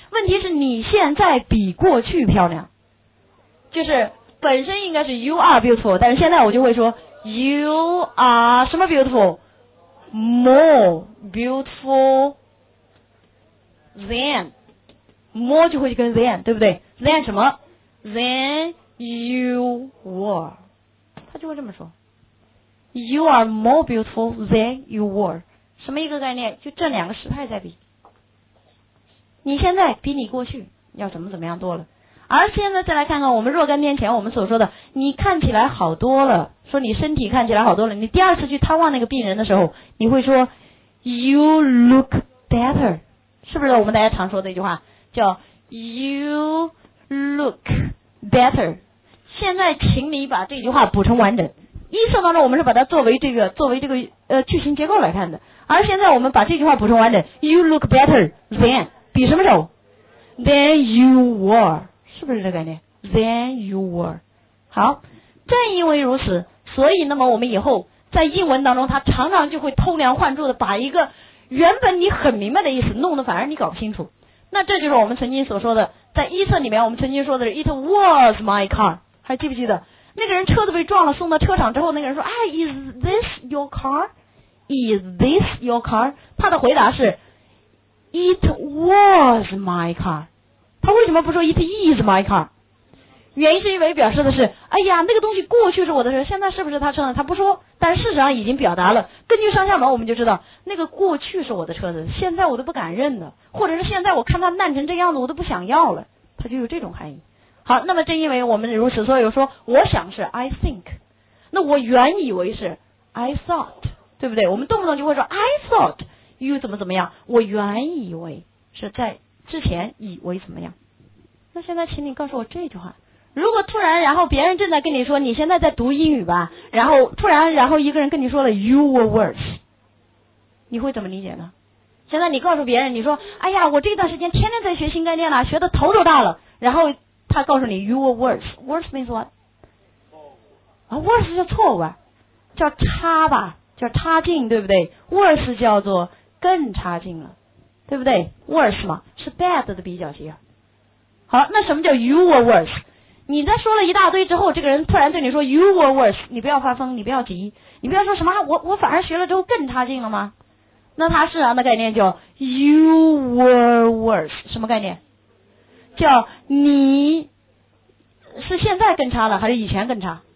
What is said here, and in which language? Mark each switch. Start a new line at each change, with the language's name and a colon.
Chinese: 问题是你现在比过去漂亮，就是本身应该是
English: You are beautiful，
Chinese: 但是现在我就会说 You are 什么 beautiful？
English: More beautiful than。
Chinese: More 就会跟 than， 对不对？than 什么？
English: than you were，
Chinese: 他就会这么说。
English: You are more beautiful than you were，
Chinese: 什么一个概念？就这两个时态在比，你现在比你过去要怎么怎么样多了。而现在再来看看我们若干天前我们所说的你看起来好多了，说你身体看起来好多了，你第二次去探望那个病人的时候，你会说
English: You look better，
Chinese: 是不是我们大家常说的一句话叫 You look better。现在请你把这句话补充完整，一次当中我们是把它作为这个句型结构来看的，而现在我们把这句话补充完整，
English: You look better than，
Chinese: 比什么时候？
English: Than you were，
Chinese: 是不是这个概念？
English: Than you were。
Chinese: 好，正因为如此，所以那么我们以后在英文当中它常常就会偷梁换柱的把一个原本你很明白的意思弄得反而你搞不清楚。那这就是我们曾经所说的，在一册里面我们曾经说的是
English: It was my car，
Chinese: 还记不记得那个人车子被撞了送到车厂之后，那个人说，哎，
English: Is this your car？ Is this your car？
Chinese: 他的回答是
English: It was my car。
Chinese: 他为什么不说
English: It is my car？
Chinese: 原因是因为表示的是，哎呀，那个东西过去是我的车，现在是不是他车呢？他不说，但事实上已经表达了，根据上下文我们就知道那个过去是我的车子，现在我都不敢认了，或者是现在我看他烂成这样子我都不想要了，他就有这种含义。好，那么正因为我们如此，所以说我想是
English: I think，
Chinese: 那我原以为是
English: I thought，
Chinese: 对不对？我们动不动就会说
English: I thought you
Chinese: 怎么怎么样，我原以为是在之前以为怎么样。那现在请你告诉我这句话，如果突然然后别人正在跟你说你现在在读英语吧，然后突然然后一个人跟你说了
English: You were worse，
Chinese: 你会怎么理解呢？现在你告诉别人，你说哎呀，我这段时间天天在学新概念了，学的头都大了，然后他告诉你
English: You were worse， worse means what？
Chinese: 啊， worse 叫错误啊，叫差吧，叫差劲，对不对？ worse 叫做更差劲了，对不对？ worse 嘛是 bad 的比较级。好，那什么叫
English: You were worse？
Chinese: 你在说了一大堆之后，这个人突然对你说
English: You were worse，
Chinese: 你不要发疯，你不要急，你不要说什么我反而学了之后更差劲了吗？那他是啊，那概念叫
English: You were worse，
Chinese: 什么概念？叫你是现在更差了还是以前更差？